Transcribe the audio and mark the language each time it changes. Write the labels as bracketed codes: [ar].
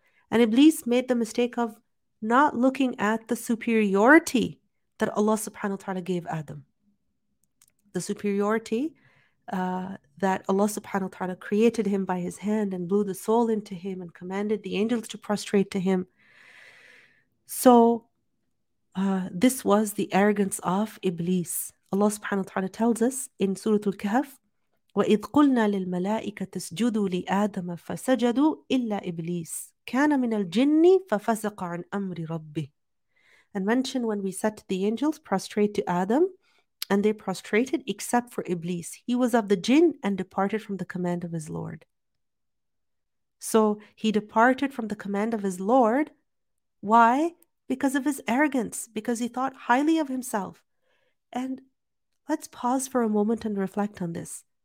[en] And Iblis made the mistake of not looking at the superiority that Allah subhanahu wa ta'ala gave Adam. The superiority that Allah subhanahu wa ta'ala created him by his hand and blew the soul into him and commanded the angels to prostrate to him. So this was the arrogance of Iblis. Allah subhanahu wa ta'ala tells us in Surah Al-Kahf, [ar] وَإِذْ قُلْنَا لِلْمَلَائِكَةِ اسْجُدُوا لِآدَمَ فَسَجَدُوا إِلَّا إِبْلِيسِ كَانَ مِنَ الْجِنِّ فَفَسَقَ عَنْ أَمْرِ رَبِّهِ. [en] and mentioned when we said the angels prostrate to Adam, and they prostrated except for Iblis. He was of the jinn and departed from the command of his Lord. So he departed from the command of his Lord. Why? Because of his arrogance, because he thought highly of himself. And let's pause for a moment and reflect on this.